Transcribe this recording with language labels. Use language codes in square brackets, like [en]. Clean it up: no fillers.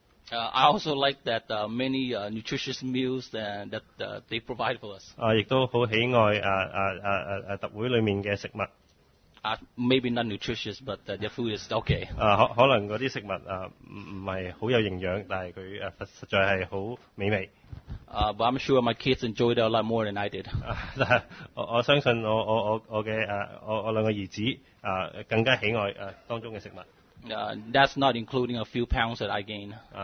[en] I also like that many nutritious meals that they provide for us. [yue] 亦都好喜愛特會裡面嘅食物。 [en] Maybe not nutritious, but the food is okay. [yue] 可能嗰啲食物唔係好有營養，但係佢實在係好美味。 [en] But I'm sure my kids enjoyed it a lot more than I did. [yue] 我相信我兩個兒子更加喜愛當中嘅食物。 [en] That's not including a few pounds that I gained.